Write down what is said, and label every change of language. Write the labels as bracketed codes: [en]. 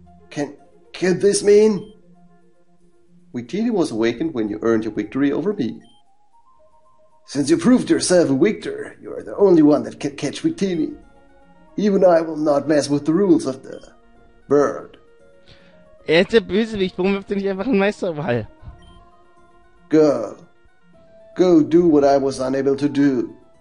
[en] Can this mean? Victini was awakened when you earned your victory over me. Since you proved yourself a victor, you are the only one that can catch Victini. Even I will not mess with the rules of the bird. [de] Er ist der Bösewicht, warum wirft er nicht einfach einen Meisterball? [en] Girl, go do what I was unable to do.